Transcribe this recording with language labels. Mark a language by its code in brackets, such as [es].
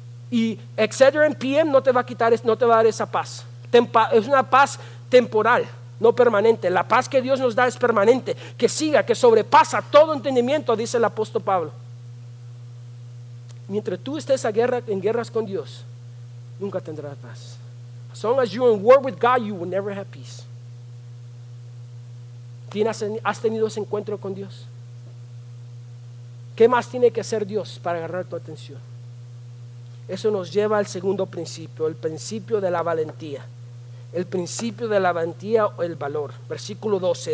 [es] Y etcétera, PM no te va a quitar, no te va a dar esa paz. Es una paz temporal, no permanente. La paz que Dios nos da es permanente, que siga, que sobrepasa todo entendimiento, dice el apóstol Pablo. Mientras tú estés en guerras con Dios, nunca tendrás paz. [en] As long as you're in war with God, you will never have peace. [es] ¿Has tenido ese encuentro con Dios? ¿Qué más tiene que hacer Dios para agarrar tu atención? Eso nos lleva al segundo principio, el principio de la valentía. El principio de la valentía o el valor. Versículo 12.